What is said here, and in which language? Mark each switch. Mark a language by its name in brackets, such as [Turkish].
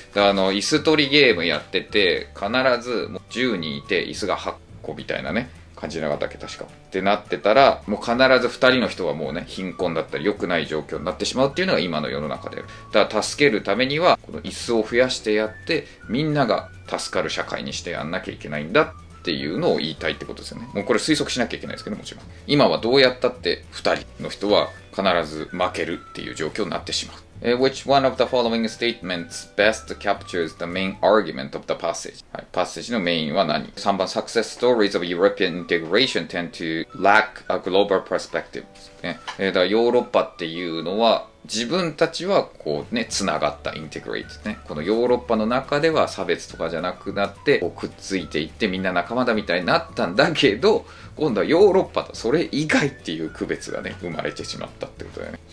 [Japanese] あの椅子取りゲームやってて必ず10人いて椅子が8個みたいなね感じなかったっけ確かってなってたら、もう必ず2人の人はもうね貧困だったり良くない状況になってしまうっていうのが今の世の中である。だから助けるためにはこの椅子を増やしてやってみんなが助かる社会にしてやんなきゃいけないんだっていうのを言いたいってことですよね。もうこれ推測しなきゃいけないですけど、もちろん今はどうやったって2人の人は必ず負けるっていう状況になってしまう。 [English] Which one of the following statements best captures the main argument of the passage、 [Japanese] はい、パッセージのメインは何。 3番 [English] Success stories of European integration tend to lack a global perspective、 [Japanese] ね、だからヨーロッパっていうのは自分たちはこうね、つながった、インテグレイトね。このヨーロッパの中では差別とかじゃなくなって、こうくっついていって、みんな仲間だみたいになったんだけど、今度はヨーロッパとそれ以外っていう区別がね、生まれてしまったってことだよね。